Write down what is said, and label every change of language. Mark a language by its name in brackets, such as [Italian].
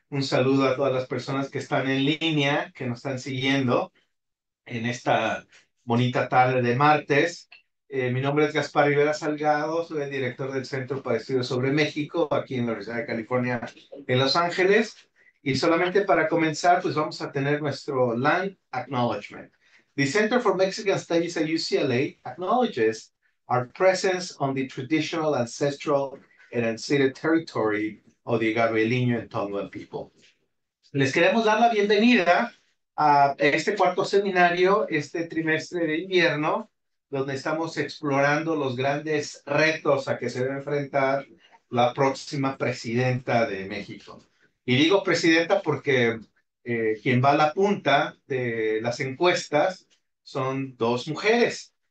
[Spanish] Un saludo a todas las personas que están en línea, que nos están siguiendo en esta bonita tarde de martes. Mi nombre es Gaspar Rivera Salgado, soy el director del Centro para Estudios sobre México, aquí en la Universidad de California, en Los Ángeles. Y solamente para comenzar, pues vamos a tener nuestro Land Acknowledgement. [English] The Center for Mexican Studies at UCLA acknowledges our presence on the traditional, ancestral, and unceded territory of the Gabrieleño and Tongva people. [Spanish] Les queremos dar la bienvenida a este cuarto seminario, este trimestre de invierno, donde estamos explorando los grandes retos a que se debe enfrentar la próxima presidenta de México. Y digo presidenta porque quien va a la punta de las encuestas son dos mujeres.